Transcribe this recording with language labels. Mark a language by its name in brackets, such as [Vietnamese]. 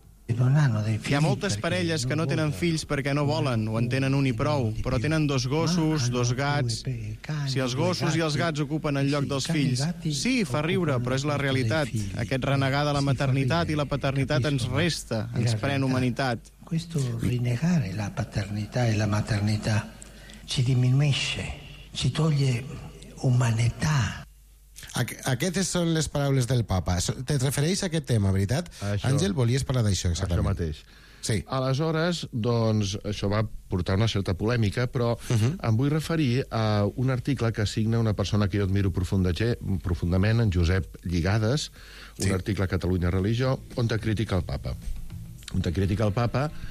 [Catalan] Hi ha moltes parelles que no tenen fills perquè no volen, o en tenen un i prou, però tenen dos gossos, dos gats. Si els gossos i els gats ocupen el lloc dels fills... Sí, fa riure, però és la realitat. Aquest renegar de la maternitat i la paternitat ens resta, ens pren humanitat. [Italian] Questo rinnegare la paternità e la maternità ci diminuisce, ci toglie umanità. [Catalan] Aquestes són les paraules del Papa. Et refereix a aquest tema, veritat? Això, Àngel, volies parlar d'això, exactament. Això mateix. Sí. Aleshores, doncs, això va portar una certa polèmica, però uh-huh. em vull referir a un article que signa una persona que jo admiro profundament, en Josep Lligades, un article a Catalunya Religió, on te critica el Papa. On te critica el Papa